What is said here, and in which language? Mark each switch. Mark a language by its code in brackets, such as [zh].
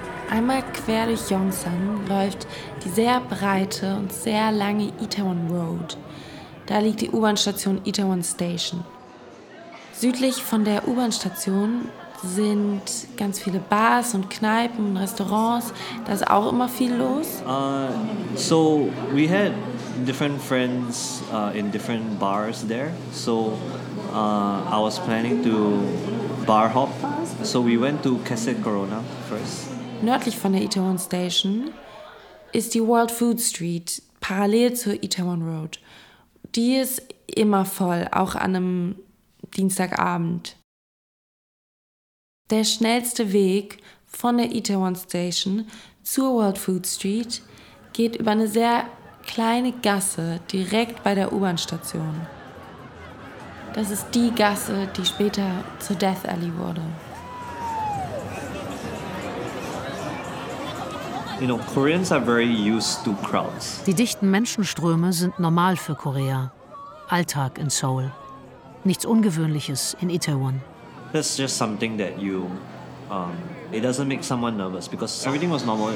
[de] Einmal quer durch Yongsan läuft die sehr breite und sehr lange Itaewon Road. Da liegt die U-Bahn-Station Itaewon Station. Südlich von der U-Bahn-Station sind ganz viele Bars und Kneipen und Restaurants. Da ist auch immer viel los. [en] So we had different friends in different bars there. So I was planning to bar hop. So we went to Cassette Corona first. [de] Nördlich von der Itaewon Station ist die World Food Street, parallel zur Itaewon Road. Die ist immer voll, auch an einem Dienstagabend. Der schnellste Weg von der Itaewon Station zur World Food Street geht über eine sehr kleine Gasse direkt bei der U-Bahn-Station. Das ist die Gasse, die später zur Death Alley wurde. [en] You know, Koreans are very used to crowds. [de] Die dichten Menschenströme sind normal für Korea. Alltag in Seoul. Nichts Ungewöhnliches in Itaewon. [en] That's just something that you, it doesn't make someone nervous because everything was normal.